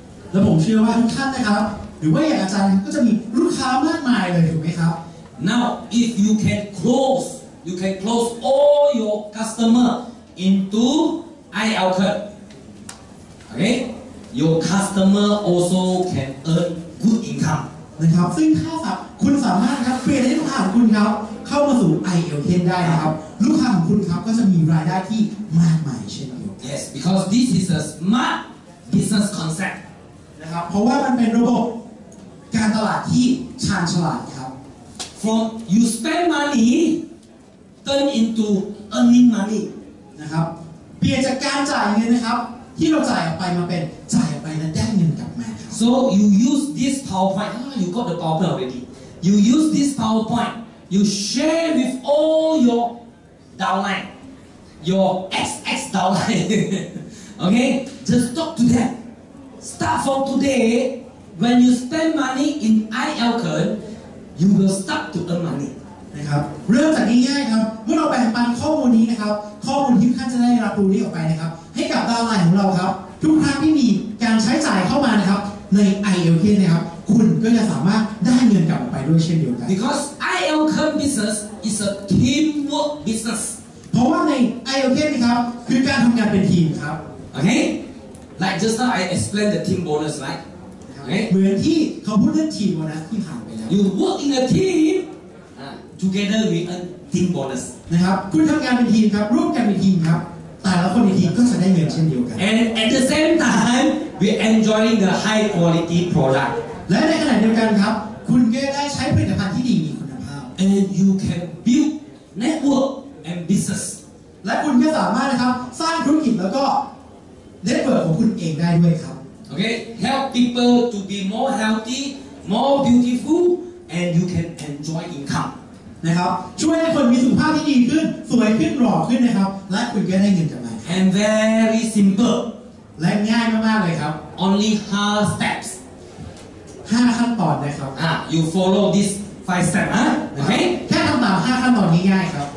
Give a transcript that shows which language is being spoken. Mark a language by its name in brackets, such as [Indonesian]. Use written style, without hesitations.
[Thai] แล้วผมเชื่อว่าทุกท่านนะครับหรือว่าอย่างอาจารย์ก็จะมีลูกค้ามากมายเลยถูกไหมครับ [English] Now if you can close you can close all your customer into iAlkun โอเค your customer also can earn good income [Thai] นะครับซึ่งถ้าสับคุณสามารถครับเปลี่ยนให้ลูกค้าของคุณครับเข้ามาสู่ iAlkun ได้นะครับลูกค้าของคุณครับก็จะมีรายได้ที่มากมายเช่นเดียว [English] Yes because this is a smart business concept [Thai] นะครับเพราะว่ามันเป็นระบบการตลาดที่ชาญฉลาดครับ [English] from you spend money turn into earning money [Thai] นะครับเปลี่ยนจากการจ่ายเงินนะครับที่เราจ่ายออกไปมาเป็นจ่ายออกไปแล้วได้เงินกลับมา [English] so you use this PowerPoint you got the PowerPoint already you use this PowerPoint you share with all your downline your XX downline okay just talk to them start from today when you spend money in iAlkun you will start to earn money [Thai] นะครับเริ่มจากง่ายๆครับเมื่อเราแบ่งปันข้อมูลนี้นะครับข้อมูลที่ท่านจะได้รับรู้นี้ออกไปนะครับให้กับดาวไลน์ของเราครับทุกครั้งที่มีการใช้จ่ายเข้ามานะครับใน iAlkun นะครับคุณก็จะสามารถได้เงินกลับออกไปด้วยเช่นเดียวกัน [English] because iAlkun business is a teamwork business [Thai] เพราะว่าใน iAlkun นะครับคือการทำงานเป็นทีมครับ [English] โอเค like just now I explained the team bonus right [Thai] okay เหมือนที่เขาพูดเรื่องทีมโบนัสที่ผ่านไปแล้ว [English] you work in a teamTogether we earn team bonus [Thai] นะครับคุณทำงานเป็นทีมครับร่วมกันเป็นทีมครับแต่ละคนในทีมก็จะได้เงินเช่นเดียวกัน [English] and at the same time we enjoying the high quality product [Thai] และในขณะเดียวกันครับคุณก็ได้ใช้ผลิตภัณฑ์ที่ดีมีคุณภาพ [English] and you can build network and business [Thai] และคุณก็สามารถนะครับสร้างธุรกิจแล้วก็เน็ตเวิร์คของคุณเองได้ด้วยครับ [English] okay help people to be more healthy more beautiful and you can enjoy income [Thai] นะครับช่วยให้คนมีสุขภาพที่ดีขึ้นสวยขึ้นหล่อขึ้นนะครับและคุณก็ได้เงินจากมัน [English] and very simple [Thai] และง่ายมากๆเลยครับ [English] only 5 steps [Thai] 5ขั้นตอนนะครับ [English] you follow this 5 step okay [Thai] แค่ทำตาม5ขั้นตอนนี้ง่ายครับ